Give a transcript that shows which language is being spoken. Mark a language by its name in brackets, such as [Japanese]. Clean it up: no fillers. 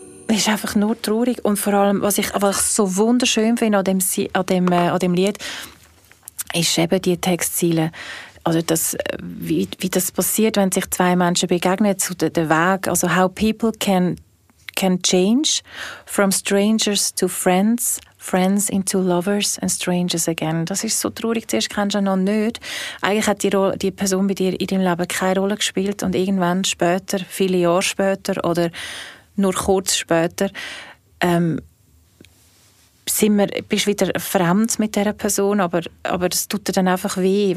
[German] Es ist einfach nur traurig. Und vor allem, was ich so wunderschön finde an dem Lied, ist eben die Textzeile. Also das, wie das passiert, wenn sich zwei Menschen begegnen, zu der Weg. Also [English] how people can change from strangers to friends, friends into lovers and strangers again. [German] Das ist so traurig. Zuerst kennst du noch nicht. Eigentlich hat die Person bei dir in deinem Leben keine Rolle gespielt. Und irgendwann später, viele Jahre später oder nur kurz später, bist du wieder fremd mit dieser Person, aber das tut dir dann einfach weh.